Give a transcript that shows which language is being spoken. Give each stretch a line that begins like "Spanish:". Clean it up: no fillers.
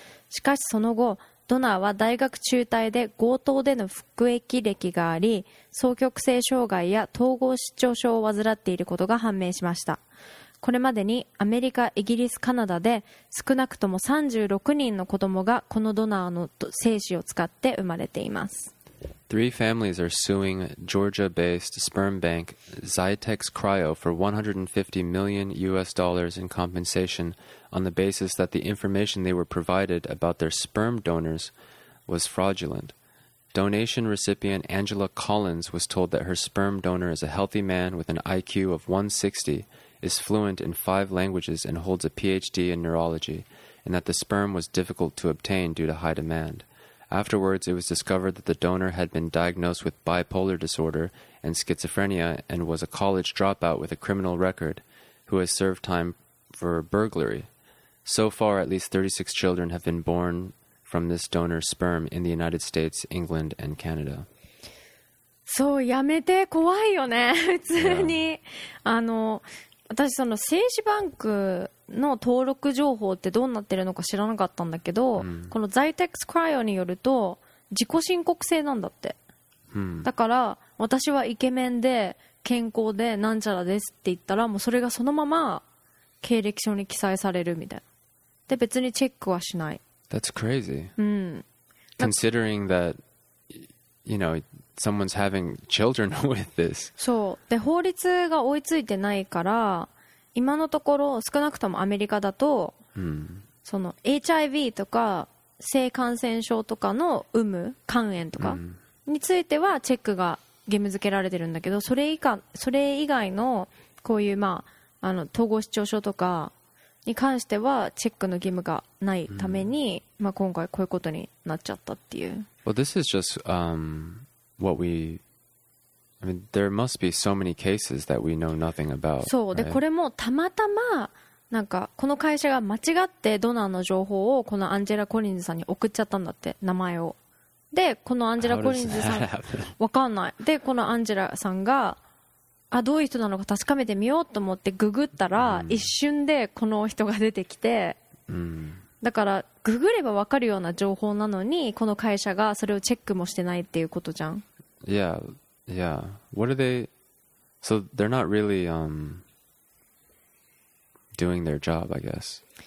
Japanese: しかしその後、ドナーは大学中退で強盗での服役歴があり、双極性障害や統合失調症を患っていることが判明しました。これまでにアメリカ、イギリス、カナダで少なくとも36人の子供がこのドナーの精子を使って生まれています。
English: Three families are suing Georgia-based sperm bank Zytex Cryo for $150 million in compensation on the basis that the information they were provided about their sperm donors was fraudulent. Donation recipient Angela Collins was told that her sperm donor is a healthy man with an IQ of 160, is fluent in 5 languages and holds a PhD in neurology, and that the sperm was difficult to obtain due to high demand. Afterwards, it was discovered that the donor had been diagnosed with bipolar disorder and schizophrenia and was a college dropout with a criminal record who has served time for burglary. So far, at least 36 children have been born from this donor's sperm in the United States, England, and Canada.
Japanese: そう、やめて、怖いよね、普通に。あの、私その精子バンクの登録情報ってどうなってるのか知らなかったんだけど、うん、このZytex Cryoによると自己申告制なんだって、うん、だから私はイケメンで健康でなんちゃらですって言ったら、もうそれがそのまま経歴書に記載されるみたいな。で、別にチェックはしない。
English: That's crazy、うん、 Considering that you know someone's having children with this. そう。
Japanese: で、法律が追いついてないから、今のところ少なくともアメリカだと、うん、その HIV とか性感染症とかの有無、肝炎とかについてはチェックが義務付けられてるんだけど、それ以外のこういう、まあ、あの統合失調症とかに関してはチェックの義務がないために、うん、まあ、今回こういうことになっちゃったっていう。
English: Well, this is just、what we... I mean, there must be so many cases that we know nothing about.
Japanese: そう、
English: right?
Japanese: で、これもたまたまなんかこの会社が間違ってドナーの情報をこのアンジェラ・コリンズさんに送っちゃったんだって、名前を。で、このアンジェラ・コリンズさん、わかんない。で、このアンジェラさんが、あ、どういう人なのか確かめてみようと思ってググったら、一瞬でこの人が出てきて、だからググればわかるような情報なのに、この会社がそれをチェックもしてないっていうことじゃん。
English: Yeah, what are they? So they're not really doing their job, I guess.